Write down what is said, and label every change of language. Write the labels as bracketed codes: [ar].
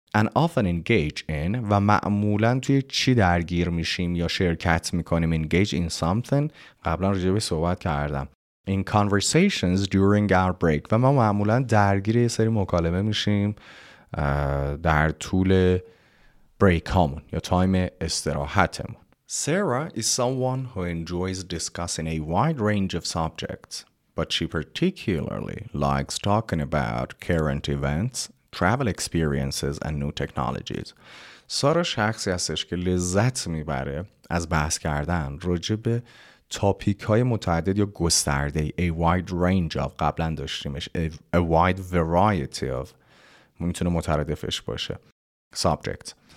[en] And often engage in، [fa] و معمولا توی چی درگیر میشیم یا شرکت میکنیم؟ [en] engage in something، [fa] قبلا راجع به صحبت کردم. [en] In conversations during our break، [fa] و ما معمولا درگیر یه سری مکالمه میشیم در طول break هامون یا تایم استراحتمون. [en] Sarah is someone who enjoys discussing a wide range of subjects, but she particularly likes talking about current events, travel experiences, and new technologies. [fa] سارا شخصی هستش که لذت میبره از بحث کردن راجع به تاپیک های متعدد یا گسترده. [en] A wide range of، [fa] قبلا داشتیمش، [en] a wide variety of، [fa] میتونه مترادفش باشه، [en] subjects.